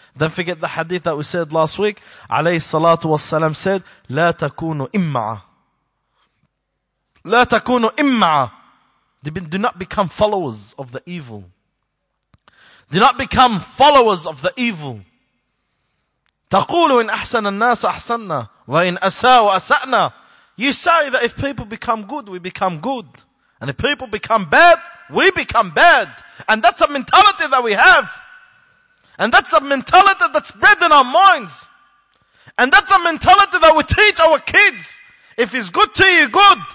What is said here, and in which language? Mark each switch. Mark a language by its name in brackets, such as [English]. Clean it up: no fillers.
[English] Don't forget the hadith that we said last week. Alayhi salatu wassalam said, [Arabic] La takunu imma'a. La takunu imma'a. [English] Do not become followers of the evil. Do not become followers of the evil. [Arabic] تقول إن أحسن الناس أحسننا وإن أساءوا أسأنا. [English] You say that if people become good, we become good. And if people become bad, we become bad. And that's a mentality that we have. And that's a mentality that's bred in our minds. And that's a mentality that we teach our kids. If it's good to you, good.